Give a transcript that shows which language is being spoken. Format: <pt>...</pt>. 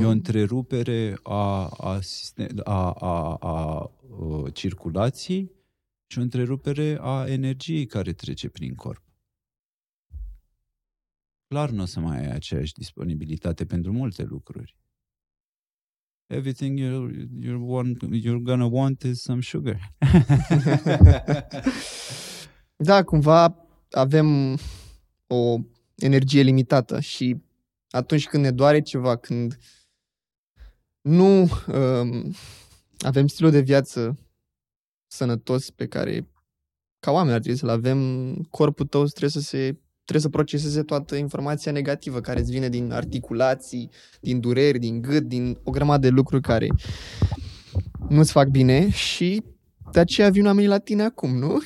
<ro>E o întrerupere a circulației și o întrerupere a energiei care trece prin corp. Clar nu o să mai ai aceeași disponibilitate pentru multe lucruri.</ro> <en>Everything you're gonna want is some sugar.</en> <ro>Da, cumva avem o energie limitată și atunci când ne doare ceva, când nu avem stilul de viață sănătos pe care ca oameni ar trebui să-l avem, corpul tău trebuie să proceseze toată informația negativă care îți vine din articulații, din dureri, din gât, din o grămadă de lucruri care nu-ți fac bine și de aceea vin oamenii la tine acum, nu?</ro>